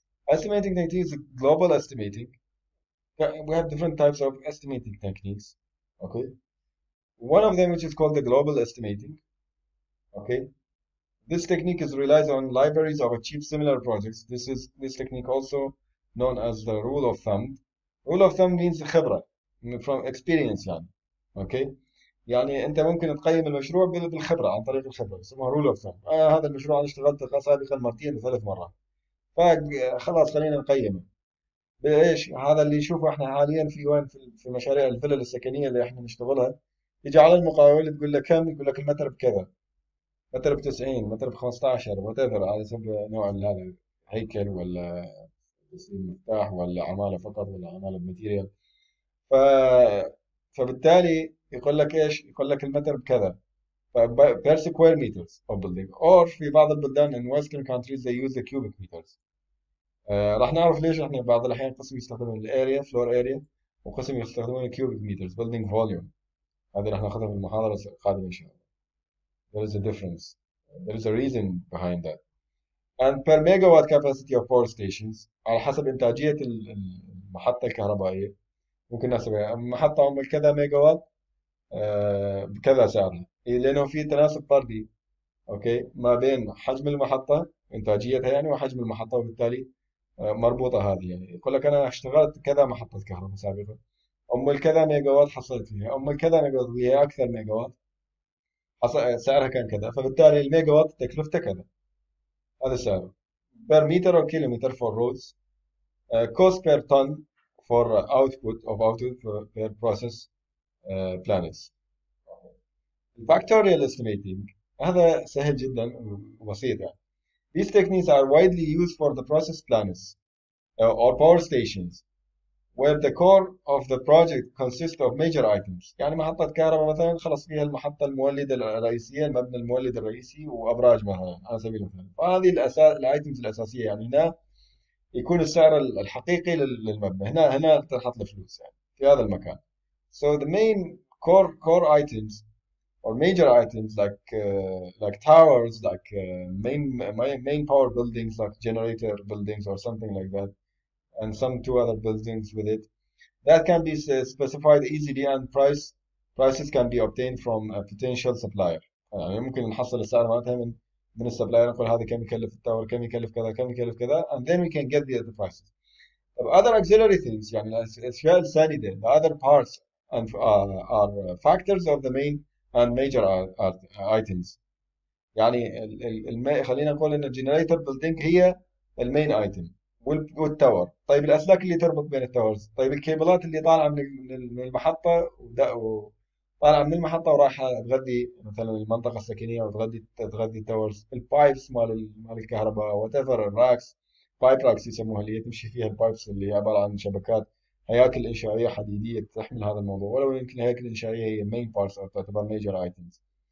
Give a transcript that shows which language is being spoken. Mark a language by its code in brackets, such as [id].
[en] Estimating techniques is global estimating. We have different types of estimating techniques. Okay. One of them, which is called the global estimating. Okay. This technique is relies on libraries of achieved similar projects. This technique also known as the rule of thumb. Rule of thumb means khibra, from experience, يعني. Okay. [ar] يعني انت ممكن تقيم المشروع بالخبره، عن طريق الخبره، اسمها رول اوف ثامب. هذا المشروع انا اشتغلت سابقا مرتين وثلاث مرات، فخلاص خلينا نقيمه بايش هذا اللي نشوفه احنا حاليا في وين، في مشاريع الفلل السكنيه اللي احنا نشتغلها. يجي على المقاول تقول له كم، يقول لك المتر بكذا، متر ب 90، متر ب 15، وات ايفر، على حسب نوع هذا هيكل ولا مفتاح ولا عماله فقط ولا عماله بماتيريال. فبالتالي يقول لك ايش؟ يقول لك المتر بكذا بير سكوير مترز او بلدينج، او في بعض البلدان ان ويسترن كانتريز زي يوز ذا كيوبيك مترز. راح نعرف ليش احنا بعض الاحيان قسم يستخدمون الاريا فلور اريا وقسم يستخدمون الكيوبيك مترز بلدينج فوليوم. هذه راح ناخذها في المحاضره القادمه ان شاء الله. [en] There is a difference. There is a reason behind that. And per megawatt capacity of power stations [ar] على حسب انتاجيه المحطه الكهربائيه. ممكن نحسبها محطه عمر كذا ميجا وات بكذا سعر، لانه في تناسب طردي، اوكي، ما بين حجم المحطه انتاجيتها يعني وحجم المحطه، وبالتالي مربوطه هذه. يعني يقول لك انا اشتغلت كذا محطه كهرباء سابقا، ام الكذا ميجا وات حصلت فيها، ام الكذا ميجا وات هي اكثر ميجا وات سعرها كان كذا، فبالتالي الميجا وات تكلفته كذا، هذا السعر بير متر او كيلو متر فور رودز. [en] Cost per ton for output of output per process planets. [ar] Factorial estimating, هذا سهل جدا وبسيط يعني. [en] These techniques are widely used for the process planets or power stations where the core of the project consists of major items. [ar] يعني محطة كهرباء مثلا خلص فيها المحطة المولدة الرئيسية، المبنى المولد الرئيسي وأبراج مثلا على سبيل المثال. فهذه الأساس الأيتيمز الأساسية يعني، هنا يكون السعر الحقيقي للمبنى، هنا تنحط الفلوس يعني في هذا المكان. [en] So the main core items or major items like like towers, like main power buildings, like generator buildings or something like that, and some two other buildings with it, that can be specified easily and prices can be obtained from a potential supplier. [ar] يعني ممكن نحصل السعر مالتها من السبلاير، نقول هذا كم يكلف التاور، كم يكلف كذا، كم يكلف كذا، [en] and then we can get the other prices. طب other auxiliary things [ar] يعني الاشياء السانده، [en] the other parts and are factors of the main and major items. [ar] يعني خلينا نقول ان الجنريتر بلدنج هي المين ايتم والتاور، طيب الاسلاك اللي تربط بين التاورز، طيب الكيبلات اللي طالعه من المحطه طالعه من المحطه ورايحه تغذي مثلا المنطقه السكنيه وتغذي التاورز، البايبس مال الكهرباء، وات ايفر، الراكس، بايب راكس يسموها اللي تمشي فيها البايبس اللي هي عباره عن شبكات هياكل انشائيه حديديه تحمل هذا الموضوع، ولو يمكن الهياكل الانشائيه هي مين بارتس او تعتبر ميجر ايتمز.